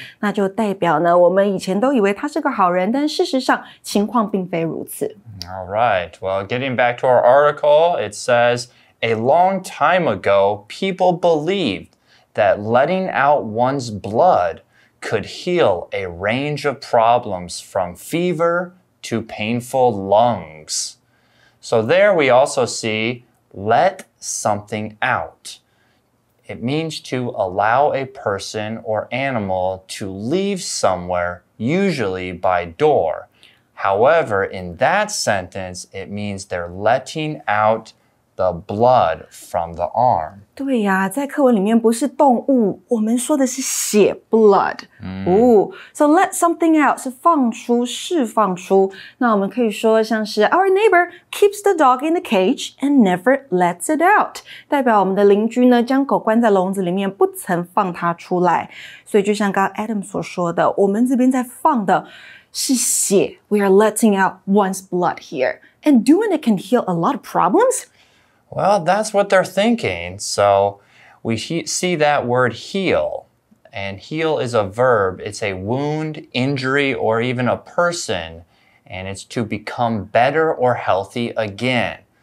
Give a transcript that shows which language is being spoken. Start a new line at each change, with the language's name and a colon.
Chinese: 那就代表呢，我们以前都以为他是个好人，但事实上情况并非如此。
English: All right. Well, getting back to our article, it says. A long time ago, people believed that letting out one's blood could heal a range of problems from fever to painful lungs. So there we also see let something out. It means to allow a person or animal to leave somewhere, usually by door. However, in that sentence, it means they're letting outthe blood from the arm.
Chinese: 对呀、啊、在课文里面不是动物我们说的是血 blood.、 Mm. Ooh, so let something out 是放出释放出。那我们可以说像是
English: our neighbor keeps the dog in the cage and never lets it out.
Chinese: 代表我们的邻居呢将狗关在笼子里面不曾放它出来。所以就像刚 Adam 所说的我们这边在放的是血。
English: We are letting out one's blood here. And doing it can heal a lot of problems? Well, that's what they're thinking. So we see that word heal, and heal is a verb. It's a wound, injury, or even a person, and it's to become better or healthy again.